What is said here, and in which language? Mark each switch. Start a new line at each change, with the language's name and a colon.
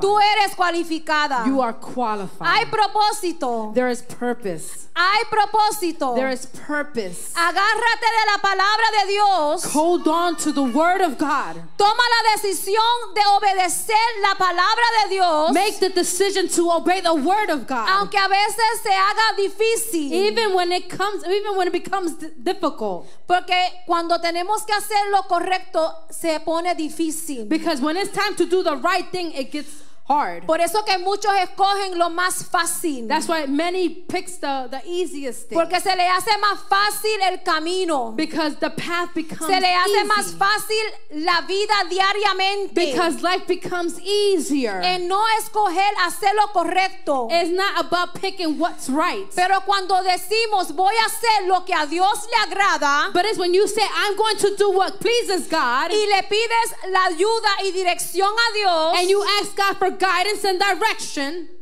Spanish: Tú eres cualificada.
English: You are qualified.
Spanish: Hay propósito.
English: There is purpose.
Spanish: Hay propósito.
English: There is purpose.
Spanish: Agárrate de la palabra de Dios.
English: Hold on to the word of God.
Spanish: Toma la decisión de obedecer la palabra de Dios.
English: Make the decision to obey the word of God.
Spanish: Aunque a veces se haga difícil.
English: Even when it becomes difficult.
Spanish: Porque cuando tenemos que hacer lo correcto se pone difícil.
English: Because when it's time to do the right thing, it gets hard.
Spanish: Por eso que muchos escogen lo más fácil.
English: That's why many picks the easiest thing.
Spanish: Porque se le hace más fácil el camino.
English: Because the path becomes
Spanish: se le hace
English: easy.
Spanish: Más fácil la vida diariamente.
English: Because life becomes easier.
Spanish: En no escoger hacer lo correcto.
English: It's not about picking what's right.
Spanish: Pero cuando decimos voy a hacer lo que a Dios le agrada.
English: But it's when you say I'm going to do what pleases God.
Spanish: Y le pides la ayuda y dirección a Dios.
English: And you ask God for guidance and direction.